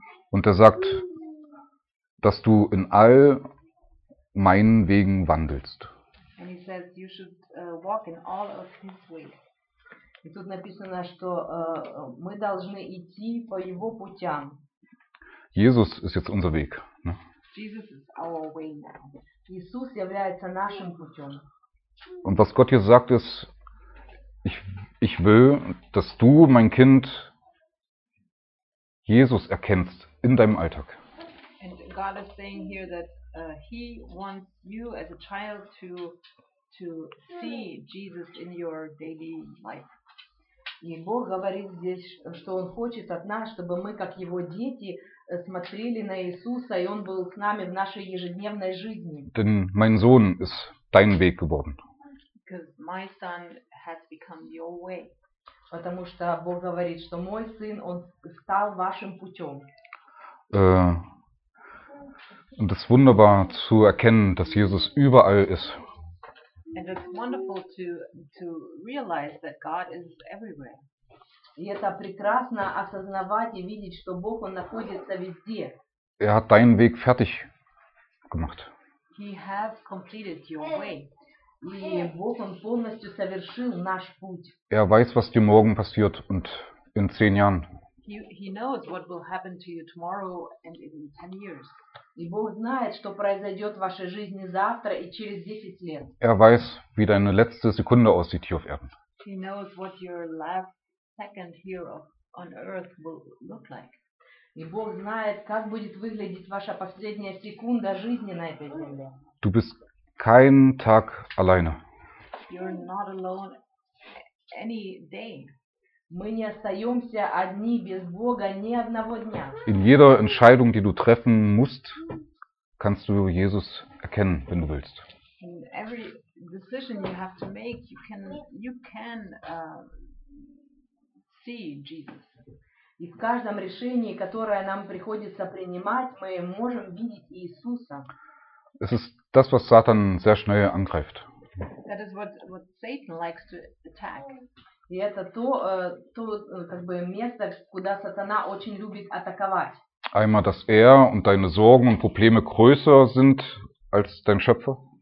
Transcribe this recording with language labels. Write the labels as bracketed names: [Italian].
[German] Und er sagt, dass du in all meinen Wegen wandelst. [English] And he says you should walk in all of his ways. [Russian] И тут написано, что мы должны идти по его путям. [German] Jesus ist jetzt unser Weg, ne? [English] Jesus is our way now. [Russian] Иисус является нашим путем. [German] Und was Gott hier sagt ist, ich will, dass du, mein Kind, Jesus erkennst in deinem Alltag. [English] And God is saying here that he wants you as a child to see Jesus in your daily life. [Russian] И Бог говорит здесь, что Он хочет от нас, чтобы мы, как Его дети, смотрели на Иисуса, и Он был с нами в нашей ежедневной жизни. [German] Denn mein Sohn ist dein Weg geworden. [English] Because my son has become your way. [Russian] Потому что Бог говорит, что мой сын, он стал вашим путем. [German] Und es wunderbar zu erkennen, dass Jesus überall ist. [English] And it's wonderful to realize that God is everywhere. [Russian] И это прекрасно осознавать и видеть, что Бог, он находится везде. [German] Er hat deinen Weg fertig gemacht. [English] He has completed your way. [Russian] И Бог, он полностью совершил наш путь. [German] Er weiß, was dir morgen passiert und in 10 Jahren. [English] He knows what will happen to you tomorrow and in 10 years. [Russian] И Бог знает, что произойдет в вашей жизни завтра и через 10 лет. [German] Er weiß, wie deine letzte Sekunde aussieht hier auf Erden. [English] He knows what your last second here on earth will look like. [Russian] И Бог знает, как будет выглядеть ваша последняя секунда жизни на этой земле. [German] Du bist kein Tag alleine. [English] You're not alone any day. [Russian] Мы не остаемся одни без Бога ни одного дня. [German] In jeder Entscheidung, die du treffen musst, kannst du Jesus erkennen, wenn du willst. [English] In every decision you have to make, you can see Jesus. [Russian] И в каждом решении, которое нам приходится принимать, мы можем видеть Иисуса. [German] Es ist das, was Satan sehr schnell angreift. [English] That is what Satan likes to attack. [Russian] И это то как бы место, куда сатана очень любит атаковать. [German] Einmal, dass er und deine Sorgen und Probleme größer sind als dein Schöpfer.